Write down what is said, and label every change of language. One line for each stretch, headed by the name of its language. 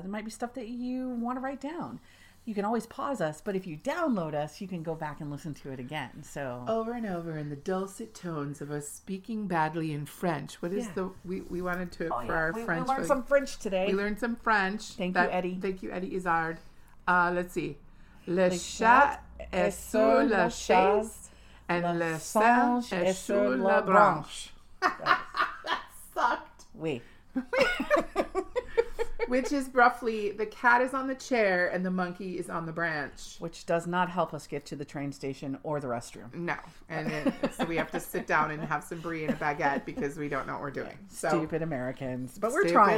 English: There might be stuff that you want to write down. You can always pause us, but if you download us, you can go back and listen to it again. So over and over in the dulcet tones of us speaking badly in French. What is we wanted to our French. We learned some French today. We learned some French. Thank you, Eddie. Thank you, Eddie Izzard. Let's see.
French: Le chat est sur la chaise
English: and
French: le singe est sur la branche.
English: That sucked.
French: Oui.
English: Which is roughly, the cat is on the chair and the monkey is on the branch. Which does not help us get to the train station or the restroom. No. And so we have to sit down and have some brie and a baguette because we don't know what we're doing. Stupid Americans. But we're trying.